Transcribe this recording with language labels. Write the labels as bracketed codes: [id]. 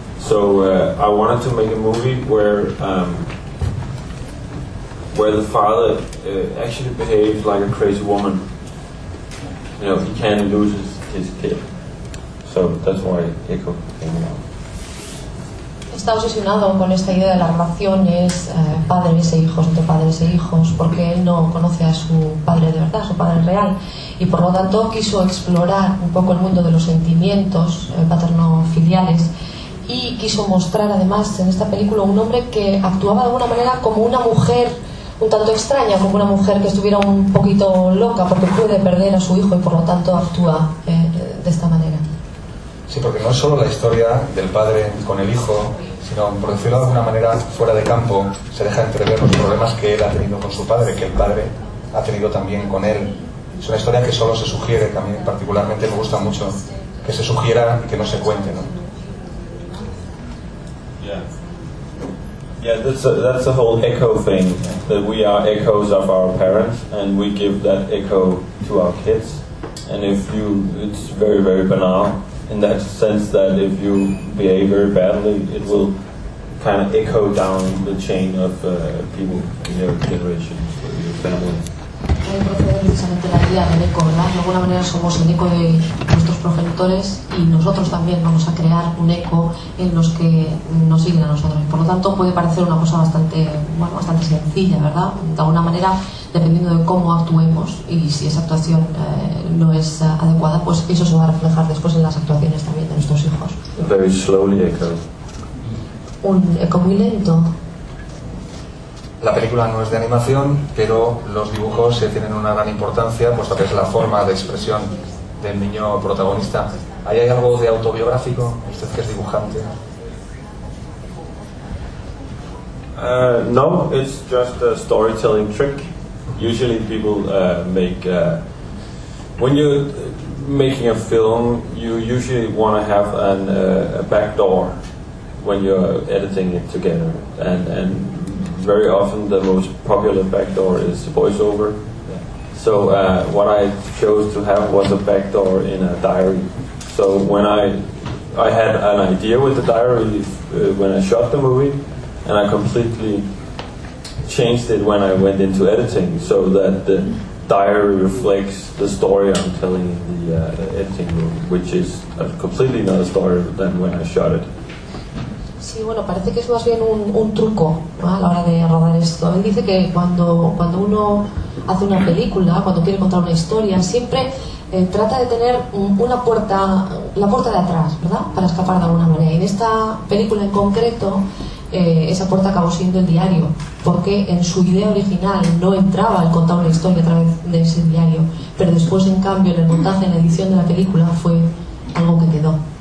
[en] So I wanted to make a movie where the father actually behaves like a crazy woman. You know, he can't lose his kid. So that's why Echo came along. [es] Está obsesionado con esta idea de las relaciones padres e hijos, entre padres e hijos, porque él no conoce a su padre de verdad, su padre real, y por lo tanto quiso explorar un poco el mundo de los sentimientos paterno-filiales y quiso mostrar además en esta película un hombre que actuaba de alguna manera como una mujer un tanto extraña, como una mujer que estuviera un poquito loca porque puede perder a su hijo y por lo tanto actúa de esta manera. Sí, porque no es solo la historia del padre con el hijo, sino, por decirlo de alguna manera, fuera de campo, se deja entrever los problemas que él ha tenido con su padre, que el padre ha tenido también con él. Es una historia que solo se sugiere, también particularmente me gusta mucho, que se sugiera y que no se cuente, ¿no? [en] Yeah. Yeah, that's a whole echo thing, that we are echoes of our parents, and we give that echo to our kids, and if you, it's very, very banal, in that sense that if you behave very badly, it will kind of echo down the chain of people in your generation, your family. [es] Precisamente la idea del eco, ¿verdad? De alguna manera somos el eco de nuestros progenitores y nosotros también vamos a crear un eco en los que nos siguen a nosotros. Por lo tanto, puede parecer una cosa bastante, bueno, bastante sencilla, ¿verdad? De alguna manera, dependiendo de cómo actuemos y si esa actuación no es adecuada, pues eso se va a reflejar después en las actuaciones también de nuestros hijos. [en] Very slowly echo. [es] Un eco muy lento. La película no es de animación, pero los dibujos tienen una gran importancia, puesto que es la forma de expresión del niño protagonista. ¿Ahí hay algo de autobiográfico? Usted que es dibujante. [en] No, it's just a storytelling trick. Usually people make when you're making a film, you usually want to have a backdoor when you're editing it together and very often the most popular backdoor is voiceover. So what I chose to have was a backdoor in a diary. So when I had an idea with the diary when I shot the movie, and I completely changed it when I went into editing, so that the diary reflects the story I'm telling in the editing room, which is a completely another story than when I shot it. [es] Sí, bueno, parece que es más bien un truco, ¿no?, a la hora de rodar esto. Él dice que cuando uno hace una película, cuando quiere contar una historia, siempre trata de tener una puerta, la puerta de atrás, ¿verdad?, para escapar de alguna manera. Y en esta película en concreto, esa puerta acabó siendo el diario, porque en su idea original no entraba el contar una historia a través de ese diario, pero después, en cambio, en el montaje, en la edición de la película, fue algo que quedó.